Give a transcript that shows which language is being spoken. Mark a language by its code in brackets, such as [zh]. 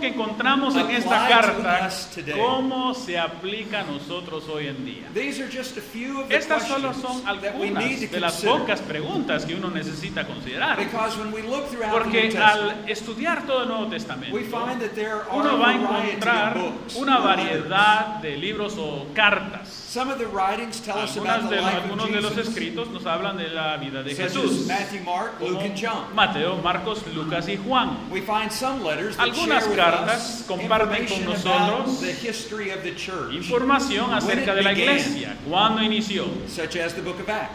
[es] que encontramos en esta carta, ¿cómo se aplica a nosotros hoy en día? [en] These are just a few of the [es] estas solo son algunas de las pocas preguntas que uno necesita considerar. Porque al estudiar todo el Nuevo Testamento, uno va a encontrar una variedad de libros o cartas. [en] Some of the writings tell us about the life of Jesus. [es] Algunos de los escritos nos hablan de la vida de Jesús. [en] Matthew, Mark, Luke, and John. [es] Mateo, Marcos, Lucas y Juan. [en] We find some letters that [es] algunas [en] share [es] cartas [en] with us [es] comparten con nosotros [en] the history of the church. [es] Información acerca de la iglesia, cuándo inició, [en] such as the book of Acts.